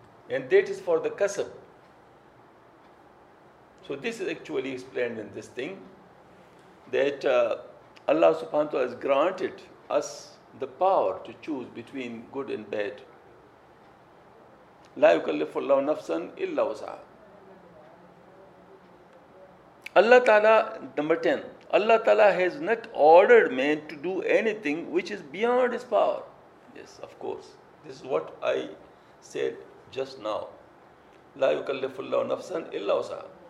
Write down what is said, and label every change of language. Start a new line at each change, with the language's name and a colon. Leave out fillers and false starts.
English: And that is for the kasab. So this is actually explained in this thing, that Allah subhanahu wa ta'ala has granted us the power to choose between good and bad.
Arabic: لا يكلف الله نفسا إلا وسعها.
English: Allah Ta'ala, number 10, Allah Ta'ala has not ordered man to do anything which is beyond his power. Yes, of course. This is what I said just now.
Arabic: لا يكلف الله نفسا إلا وسعها.